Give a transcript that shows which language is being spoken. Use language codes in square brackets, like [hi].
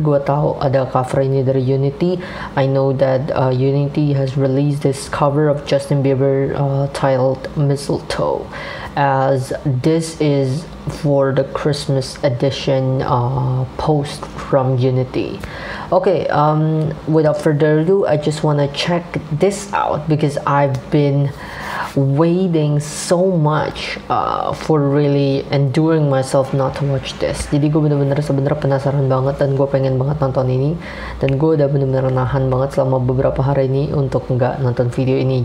[id] Gue tahu ada cover ini dari Unity. [en] I know that Unity has released this cover of Justin Bieber titled Mistletoe, as this is for the Christmas edition post from Unity. Okay, without further ado, I just want to check this out because I've been waiting so much for really enduring myself not to watch this. [id] Jadi gue benar-benar sebenarnya penasaran banget dan gue pengen banget nonton ini, dan gue udah benar-benar nahan banget selama beberapa hari ini untuk nggak nonton video ini.